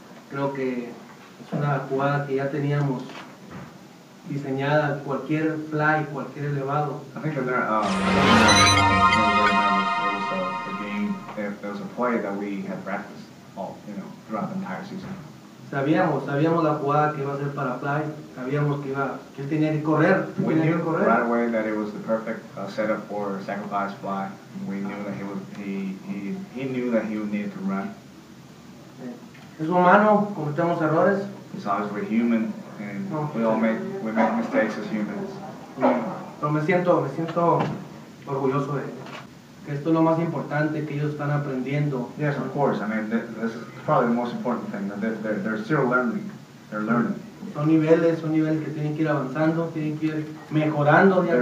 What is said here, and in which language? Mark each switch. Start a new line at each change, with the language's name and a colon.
Spanish: Creo que es una jugada que ya teníamos diseñada, cualquier fly, cualquier elevado.
English: I think that there was a play that we had practiced throughout the entire season.
Spanish: Sabíamos la jugada que iba a ser para fly, sabíamos que él tenía que correr.
English: We knew right away that it was the perfect setup for sacrifice fly. We knew that he knew that he would need to run.
Spanish: Es humano, cometemos errores.
English: It's always we're human, and we make mistakes as humans.
Spanish: Pero me siento orgulloso de que esto es lo más importante que ellos están aprendiendo.
English: Yes, of course. I mean, this is probably the most important thing. They're still learning. They're learning.
Spanish: Son niveles que tienen que ir avanzando, tienen que ir mejorando día